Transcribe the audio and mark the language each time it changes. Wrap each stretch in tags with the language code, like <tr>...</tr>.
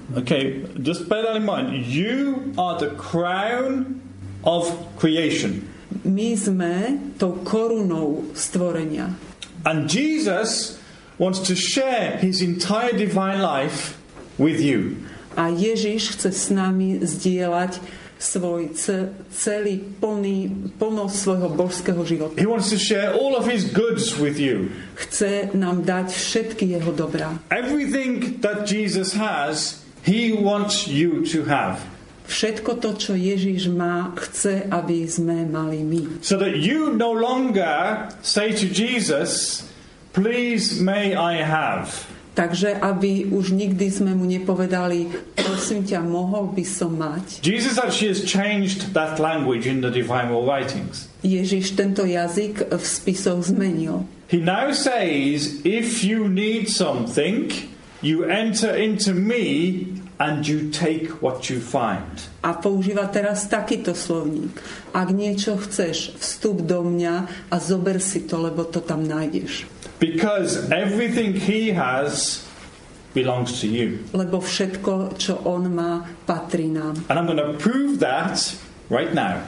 <en>Okay, just bear that in mind. You are the crown of creation.</en> <sk>My sme tou korunou stvorenia.</sk> <en>And Jesus wants to share his entire divine life with you.</en> <sk>A Ježiš chce s nami zdieľať svoj celý plný plnosť svojho božského života.</sk> <en>He wants to share all of his goods with you.</en> <sk>Chce nám dať všetky jeho dobrá.</sk> <en>Everything that Jesus has, he wants you to have.</en> <sk>Všetko to, čo Ježiš má, chce, aby sme mali my.</sk> <en>So that you no longer say to Jesus, please may I have.</en> <sk>Takže aby už nikdy sme mu nepovedali, prosím ťa, mohol by som mať.</sk> <en>Jesus actually has changed that language in the divine writings.</en> <sk>Ježiš tento jazyk v spisoch zmenil.</sk> <en>He now says, if you need something, you enter into me and you take what you find.</en> <sk>A používa teraz takýto slovník. Ak niečo chceš, vstup do mňa a zober si to, lebo to tam nájdeš.</sk> <en>Because everything he has belongs to you.</en> <sk>Lebo všetko, čo on má, patrí nám.</sk> <en>And I'm going to prove that right now.</en>